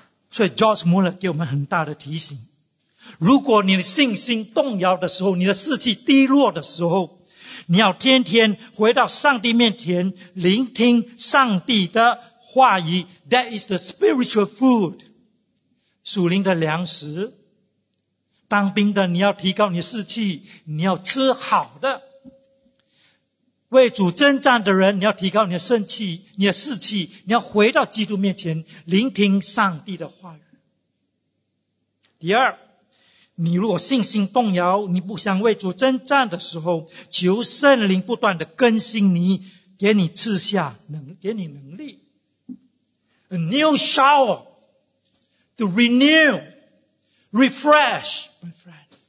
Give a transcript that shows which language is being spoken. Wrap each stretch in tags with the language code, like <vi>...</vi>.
<zh>所以 George Mueller 给我们很大的提醒，如果你的信心动摇的时候，你的士气低落的时候，你要天天回到上帝面前聆听上帝的话语。</zh> <en>That is the spiritual food,</en> <zh>属灵的粮食。当兵的你要提高你的士气，你要吃好的。为主征战的人，你要提高你的圣气，你的士气，你要回到基督面前聆听上帝的话语。第二，你如果信心动摇，你不想为主征战的时候，求圣灵不断的更新你，给你赐下能，给你能力。</zh> <en>A new shower to renew, refresh, my friend.</en>